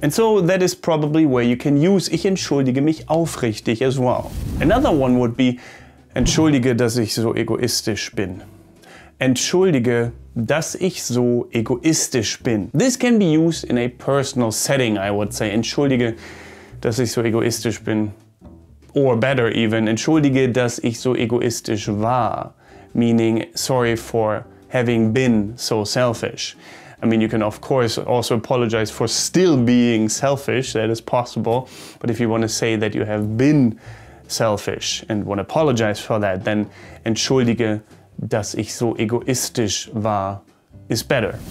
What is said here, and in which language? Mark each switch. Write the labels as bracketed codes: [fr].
[en] And so that is probably where you can use [de] ich entschuldige mich aufrichtig [en] as well. Another one would be [de] entschuldige, dass ich so egoistisch bin. Entschuldige, dass ich so egoistisch bin. [en] This can be used in a personal setting, I would say. [de] Entschuldige, dass ich so egoistisch bin. [en] Or better even, [de] entschuldige, dass ich so egoistisch war. [en] Meaning, sorry for having been so selfish. I mean, you can of course also apologize for still being selfish, that is possible. But if you want to say that you have been selfish and want to apologize for that, then [de] entschuldige, dass ich so egoistisch war, [en] is better.